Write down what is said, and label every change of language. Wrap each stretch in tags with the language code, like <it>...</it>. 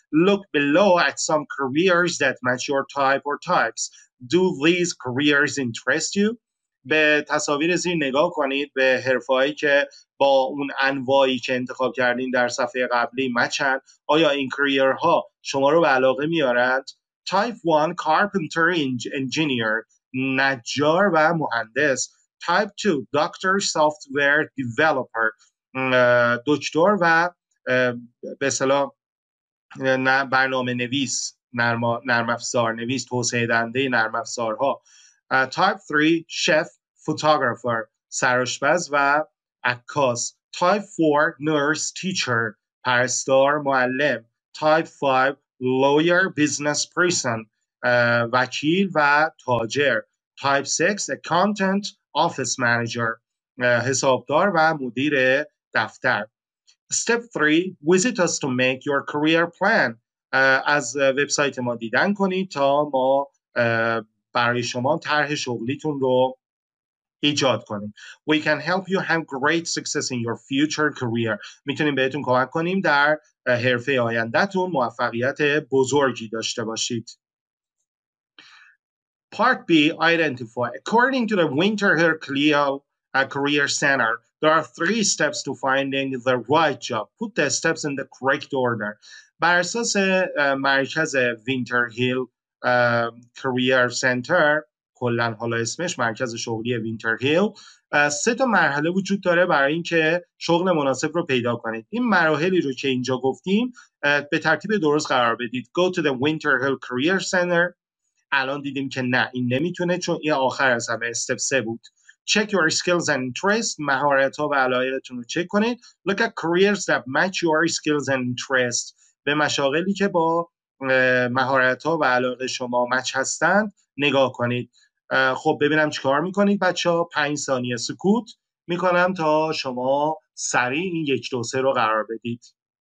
<en>Look below at some careers that match your type or types. Do these careers interest you?</en> <fa>به تصاویر زیر نگاه کنید، به حرفه‌هایی که با اون انواعی که انتخاب کردین در صفحه قبلی مچن. آیا این کریرها شما رو به علاقه میارند؟</fa> <en>Type 1 carpenter, engineer,</en> <fa>نجار و مهندس.</fa> <en>Type 2 doctor, software developer,</en> <fa>دکتر و به اصطلاح برنامه نویس، نرم افزار نویس، توسعه دهنده نرم افزارها.</fa> <en>Type 3 chef, photographer,</en> <fa>سرآشپز و عکاس.</fa> <en>Type 4 nurse, teacher,</en> <fa>پرستار، معلم.</fa> <en>Type 5 lawyer, business person,</en> <fa>وکیل و تاجر.</fa> <en>Type 6 accountant, office manager,</en> <fa>حسابدار و مدیر دفتر.</fa> <en>Step 3 visit us to make your career plan.</en> <fa>از وبسایت ما دیدن کنید تا ما برای شما طرح شغلیتون رو ایجاد کنیم.</fa> <en>We can help you have great success in your future career.</en> <fa>میتونیم بهتون کمک کنیم در حرفه آیندهتون موفقیت بزرگی داشته باشید.</fa> <en>Part B, identify. According to the Winter Hill Career Center, there are three steps to finding the right job. Put the steps in the correct order.</en> <fa>بر اساس مرکز Winter Hill Career Center، کلن حالا اسمش مرکز شغلی وینتر هیل، سه تا مرحله وجود داره برای اینکه شغل مناسب رو پیدا کنید. این مراحلی رو که اینجا گفتیم به ترتیب درست قرار بدید.</fa> <en>Go to the Winter Hill Career Center.</en> <fa>الان دیدیم که نه، این نمیتونه چون این آخر از همه استپ 3 بود.</fa> <en>Check your skills and interests.</en> <fa>مهارت ها و علایقتون رو چک کنید.</fa> <en>Look at careers that match your skills and interests.</en> <fa>به مشاغلی که با مهارت ها و علاقه شما مچ هستند نگاه کنید. خب ببینم چیکار میکنید بچه ها. 5 ثانیه سکوت میکنم تا شما سریع این 1-2-3 رو قرار بدید.</fa>